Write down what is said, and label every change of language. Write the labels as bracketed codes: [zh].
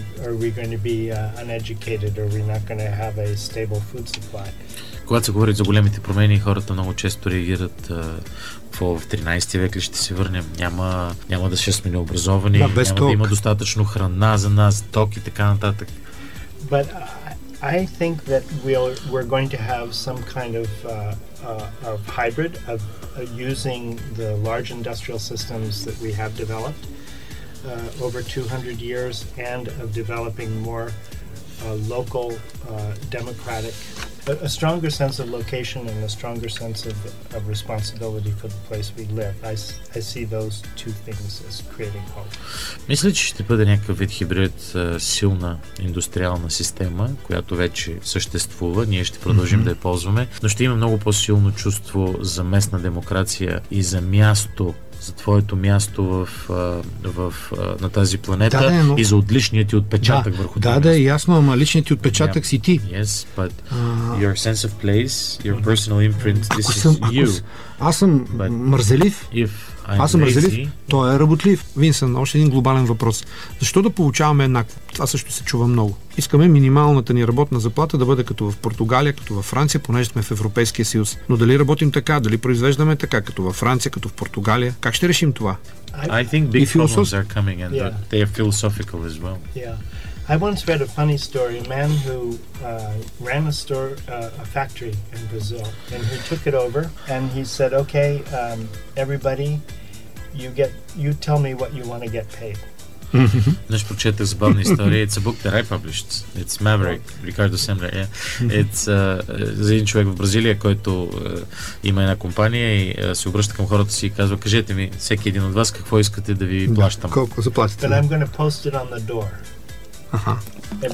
[en] Are we going to be uneducated? Are we not going to have a stable food supply? [bg] Когато се говори за големите промени, хората много често реагират в 13 век ли ще се върнем, няма да ще сме необразовани, да, няма ток. Да има достатъчно храна за нас, ток и така нататък. [en] But I think that we're going to have some kind of hybrid of using the large industrial systems that we have developed over 200 years and of developing more local democratic a stronger sense of location and a stronger sense of responsibility for the place we live. I see those two things as creating hope. [bg] Мисля, че ще бъде някакъв вид хибрид, силна индустриална система, която вече съществува. Ние ще продължим да я ползваме, но ще има много по-силно чувство за местна демокрация и за място, за твоето място в на тази планета, да, но... и за отличният ти отпечатък, да, върху това. Да, е ясно, ама личният ти отпечатък, yeah, си ти. [en] Yes, but your sense of place, your personal imprint, this [bg] съм, [en] is you. [bg] Аз съм мързелив. Аз съм мързелив, той е работлив. Винсън, още един глобален въпрос. Защо да получаваме еднакво? Това също се чува много. Искаме минималната ни работна заплата да бъде като в Португалия, като във Франция, понеже сме в Европейския съюз. Но дали работим така, дали произвеждаме така, като във Франция, като в Португалия? Как ще решим това? [en] I think big problems are coming and they are philosophical as well. Yeah. I once read a funny story. A man who ran a store, a factory in Brazil, and he took it over and he said, okay, everybody, you tell me what you want to get paid. [bg] Днес прочетах забавна история. [en] It's a book that I published. It's Maverick. Ricardo Semler. Yeah. [bg] It's за един човек в Бразилия, който има една компания и се обръща към хората си и казва, кажете ми, всеки един от вас, какво искате да ви плащам. Колко заплатите? [en] But I'm going to post it on the door.